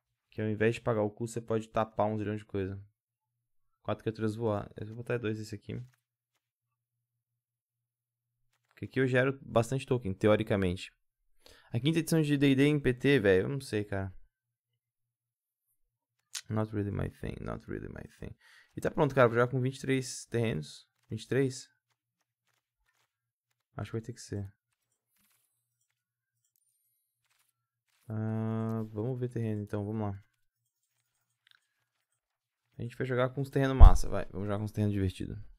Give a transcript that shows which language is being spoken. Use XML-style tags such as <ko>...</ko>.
<pt>Que ao invés de pagar o custo, você pode tapar um zilhão de coisa. Quatro criaturas voar. Eu vou botar dois desse aqui. Porque aqui eu gero bastante token, teoricamente. A quinta edição de D&D em PT, velho, eu não sei, cara.</pt> <en>Not really my thing, not really my thing.</en> <pt>E tá pronto, cara, vou jogar com 23 terrenos. 23? Acho que vai ter que ser. Vamos ver terreno então, vamos lá. A gente vai jogar com os terrenos massa, vai. Vamos jogar com os terrenos divertidos.</pt>